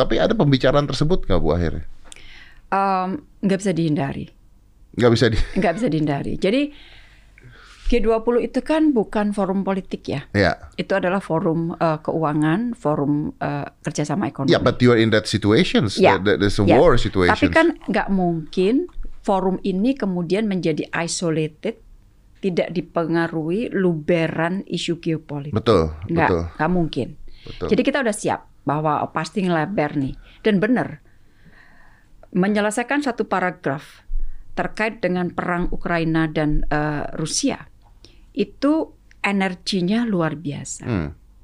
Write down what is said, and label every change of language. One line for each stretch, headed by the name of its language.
Indonesian: Tapi ada pembicaraan tersebut nggak Bu akhirnya? Nggak bisa dihindari. Nggak bisa dihindari. Jadi G20 itu kan bukan forum politik ya. Ya. Itu adalah forum keuangan, forum kerjasama ekonomi.
English: Ya, but you are in that situations.
Indonesian: Ya.
English: There's a ya, war situation.
Indonesian: Tapi kan nggak mungkin forum ini kemudian menjadi isolated, tidak dipengaruhi luberan isu geopolitik. Betul, nggak, betul. Nggak mungkin. Betul. Jadi kita udah siap bahwa pasti ngeleber nih. Dan benar, menyelesaikan satu paragraf terkait dengan perang Ukraina dan Rusia, itu energinya luar biasa. Hmm.